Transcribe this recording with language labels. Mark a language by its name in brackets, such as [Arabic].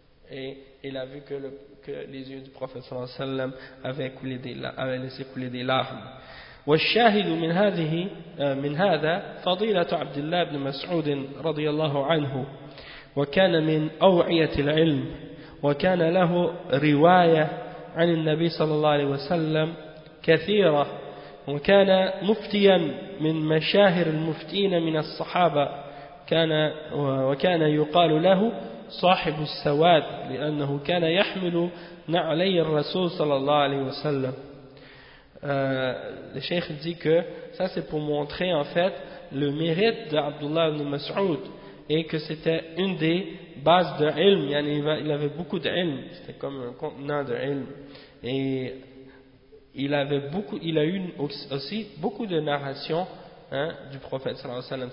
[French] Et il a vu que les yeux du prophète sallallahu alayhi wa sallam avaient laissé couler des larmes. [Arabic] والشاهد من هذه من هذا فضيلة عبد الله بن مسعود رضي الله عنه وكان من أوعية العلم وكان له رواية عن النبي صلى الله عليه وسلم كثيرة وكان مفتيا من مشاهر المفتين من الصحابة كان وكان يقال له صاحب السواد لأنه كان يحمل نعلي الرسول صلى الله عليه وسلم. [French] Le cheikh dit que ça c'est pour montrer en fait le mérite d'Abdullah ibn Mas'ud et que c'était une des bases de ilm. Il avait beaucoup de ilm, c'était comme un contenant de ilm. Et il avait beaucoup, il a eu aussi beaucoup de narrations du prophète sallallahu alayhi wa sallam.